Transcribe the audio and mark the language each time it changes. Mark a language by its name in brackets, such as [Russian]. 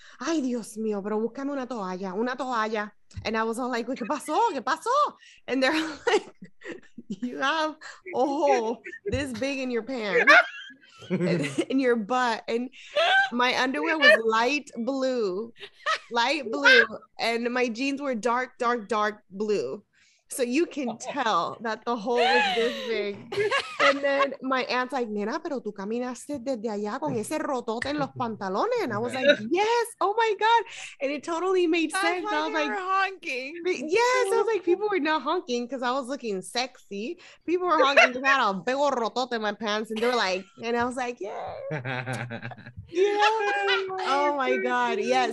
[Spanish] Ay, Dios mío, pero búscame una toalla, una toalla. [English] And I was all like, [Spanish] ¿qué pasó? ¿Qué pasó? [English] And they're like, you have a hole this big in your pants, in your butt. And my underwear was light blue, light blue. And my jeans were dark, dark, dark blue. So you can tell that the hole was this big. And then my aunt's like, [Spanish] nena, pero tú caminaste desde allá con ese rotote en los pantalones. [English] And I was like, yes, oh my God. And it totally made sense. I thought they were honking. Yes, I was like, people were not honking because I was looking sexy. People were honking because I had a big old rotote in my pants. And they were like, and I was like, yay. Yeah. Oh my God. Yeah.